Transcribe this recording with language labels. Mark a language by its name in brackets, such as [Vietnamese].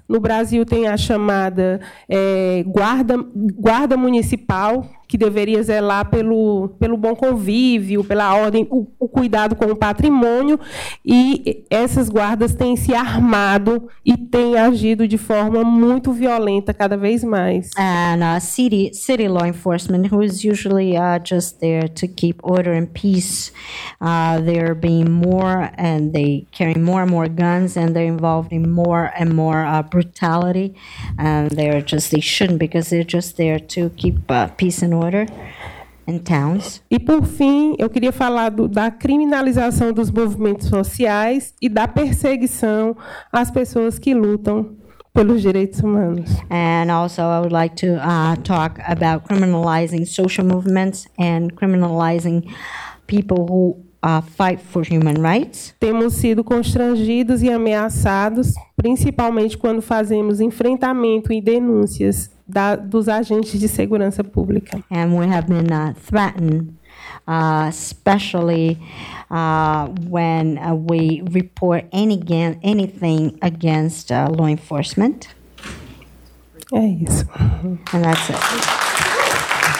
[Portuguese] No Brasil tem a chamada guarda municipal, que deveria zelar pelo bom convívio, pela ordem, o cuidado com o patrimônio, e essas guardas têm se armado e têm agido de forma muito violenta cada vez mais. [English] And city law enforcement, who is usually just there to keep order and peace, they're being more and they carry more and more guns and they're involved in more and more brutality, and they shouldn't, because they're just there to keep peace and order in towns. [Portuguese] E por fim, eu queria falar da criminalização dos movimentos sociais e da perseguição às pessoas que lutam pelos direitos humanos. [English] And also I would like to talk about criminalizing social movements and criminalizing people who fight for human rights. [Portuguese] Temos sido constrangidos e ameaçados, principalmente quando fazemos enfrentamento e denúncias dos agentes de segurança pública. [English] And we have been threatened, especially when we report anything against law enforcement. [Portuguese] É isso. [English] And that's it.